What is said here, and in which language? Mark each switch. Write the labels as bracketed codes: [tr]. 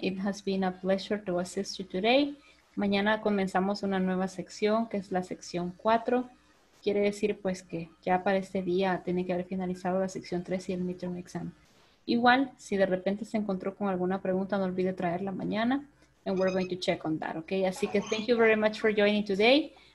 [en] It has been a pleasure to assist you today. [es] Mañana comenzamos una nueva sección, que es la sección 4. Quiere decir, pues, que ya para este día tiene que haber finalizado la sección 3 y el midterm exam. Igual, si de repente se encontró con alguna pregunta, no olvide traerla mañana. [en] And we're going to check on that, okay? [es] Así que [en] thank you very much for joining today.